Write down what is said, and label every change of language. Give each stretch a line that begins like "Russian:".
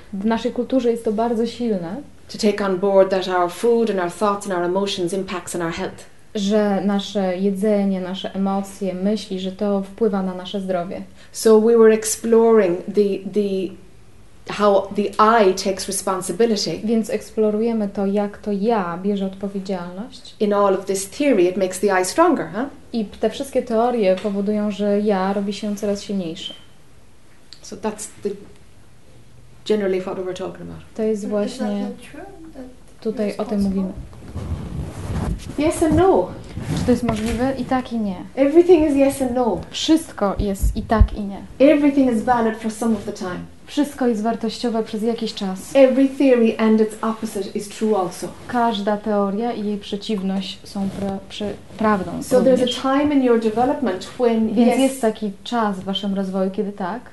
Polish: W naszej kulturze jest to bardzo silne.
English: To take on board that our food and our thoughts and our emotions impacts on our health.
Polish: Że nasze jedzenie, nasze emocje, myśli, że to wpływa na nasze zdrowie.
English: So we were exploring how the I takes responsibility.
Polish: Więc eksplorujemy to, jak to ja bierze odpowiedzialność.
English: In all of this theory, it makes the I stronger, huh?
Polish: I te wszystkie teorie powodują, że ja robi się coraz silniejszy.
English: So that's the generally what we're talking about.
Polish: To jest właśnie tutaj o tym mówimy.
English: Yes and no.
Polish: Czy to jest możliwe? I tak, i nie.
English: Everything is yes and no.
Polish: Wszystko jest i tak, i nie.
English: Everything is valid for some of the time.
Polish: Wszystko jest wartościowe przez jakiś czas.
English: Every theory and its opposite is true also.
Polish: Każda teoria i jej przeciwność są prawdą.
English: So there's a time in your development when
Polish: Więc jest taki czas w waszym rozwoju, kiedy tak.